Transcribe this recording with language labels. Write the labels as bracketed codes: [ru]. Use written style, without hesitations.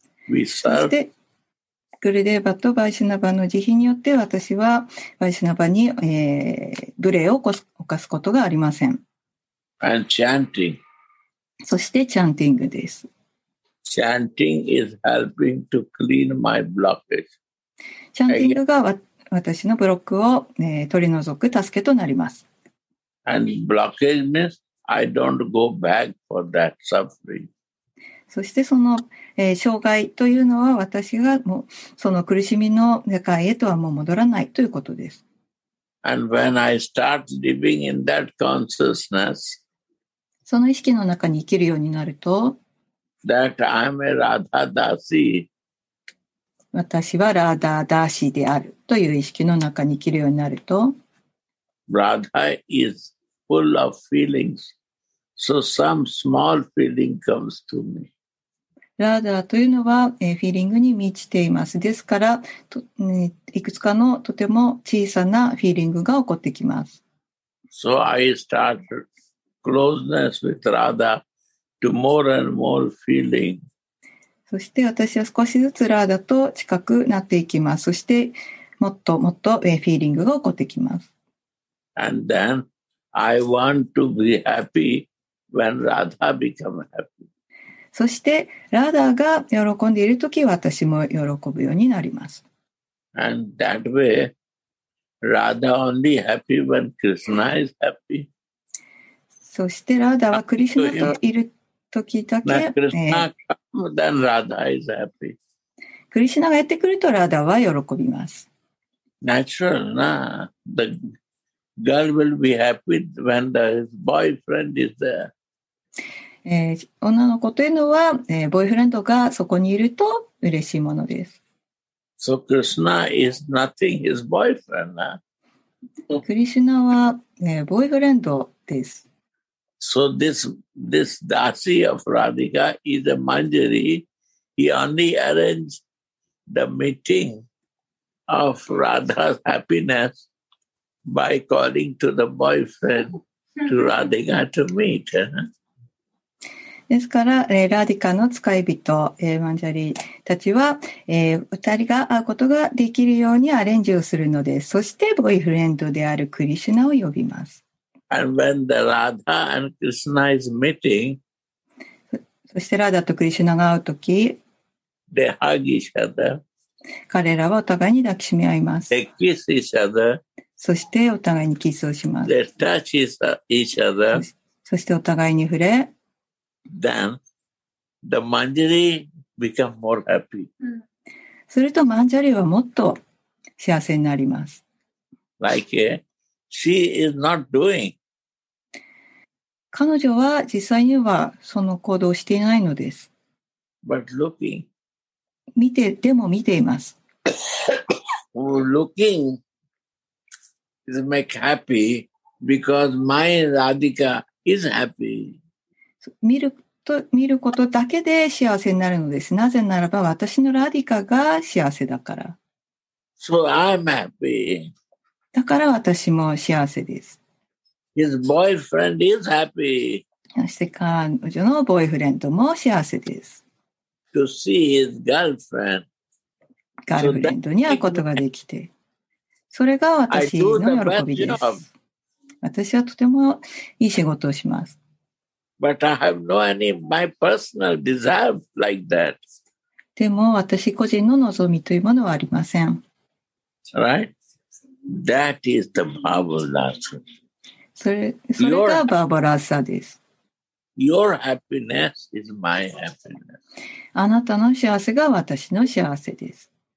[en] We serve. [ja] そしてグルデーバとバイシナバの慈悲によって私はバイシナバに、無礼を犯すことがありません。 [en] And chanting. [ja] そしてチャンティングです。 [en] チャンティングis helping to clean my blockages。 [ja] チャンティングが私のブロックを、取り除く助けとなります。 [en] And blockage means I don't go back for that suffering。 [ja] そしてその、障害というのは私がもうその苦しみの世界へとはもう戻らないということです。 [en] And when I start living in that consciousness, [ja] その意識の中に生きるようになると [en] That I'm a Radha Dasi. [ja] 私はラーダーダーシーであるという意識の中に生きるようになると [en] Radha is full of feelings. So some small feeling comes to me. [ja] ラーダーというのはフィーリングに満ちています。ですからいくつかのとても小さなフィーリングが起こってきます。 [en] So I startedCloseness with Radha to more and more feeling. [ja] そして私は少しずつラーダと近くなっていきます。そしてもっともっとフィーリングが起こってきます。 [en] And then I want to be happy when Radha become happy. [ja] そしてラーダが喜んでいるとき私も喜ぶようになります。 [en] And that way, Radha only happy when Krishna is happy. [ja] そしてラーダはクリシュナといるときだけ、 [en] then Radha is happy. [ja] クリシュナがやってくるとラーダは喜びます。 [en] Natural, nah. The girl will be happy when the boyfriend is there. [ja] 女の子というのは、ボーイフレンドがそこにいると嬉しいものです。 [en] So Krishna is nothing, his boyfriend, nah. [ja] クリシュナは、ボーイフレンドです。 [en] So this dasi of Radhika is a manjari. He only arranged the meeting of Radha's happiness by calling to the boyfriend to Radhika to meet. [ja] ですから、ラディカの使い人、マンジャリたちは、二人が会うことができるようにアレンジをするので、そしてボーイフレンドであるクリシュナを呼びます。 [en] And when the Radha and Krishna is meeting, [ja] そしてラダとクリシュナが会うとき、 [en] they hug each other. [ja] 彼らはお互いに抱きしめ合います。 [en] They kiss each other. [ja] そしてお互いにキスをします。 [en] They touch each other. [ja] そしてお互いに触れ、 [en] then the manjari become more happy. [ja] するとマンジャリはもっと幸せになります。 [en] Like she is not doing. [ja] 彼女は実際にはその行動をしていないのです。 [en] But looking. [ja] 見て、でも見ています。 [en] Looking is make happy because my Radhika is happy. [ja] 見ると、見ることだけで幸せになるのです。なぜならば私のラディカが幸せだから。 [en] So I'm happy. [ja] だから私も幸せです。 [en] His boyfriend is happy. [ja] そして彼女のボーイフレンドも幸せです。 [en] To see his girlfriend. [ja] ガールフレンドに会うことができて。それが私の喜びです。私はとてもいい仕事をします。 [en] But I have no any my personal desire like that. [ja] でも私個人の望みというものはありません。 [en] Right? That is the Bhavarasa. [ja] それがバーバラーサです。 [en] Your happiness is my happiness. [ja] あなたの幸せが私の幸せです。